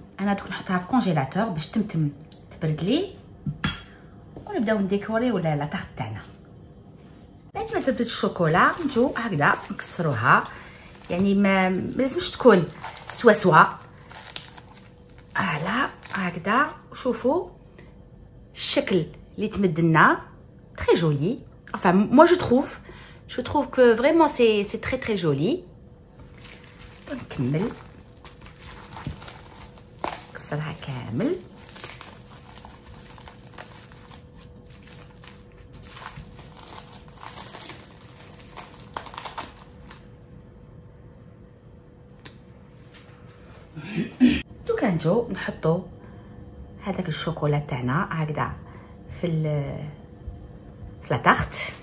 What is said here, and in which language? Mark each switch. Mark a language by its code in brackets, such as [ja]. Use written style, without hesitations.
[ar] انا دوك نحطها في كونجيلاتور باش تمتم تبرد لي ونبداو نديكوري ولا لا طارت تاعنا. بعد ما تبرد الشوكولا نجو هكذا نكسروها، يعني ما لازمش تكون سوا سوا على هكذا. شوفوا الشكل اللي تمد لنا تري جولي، [fr] enfin moi je trouve que vraiment c'est très très joli. [ar] نكمل نكسرها كامل، دوكا نجو نحطو هذاك الشوكولا تاعنا هكذا في لاطارت.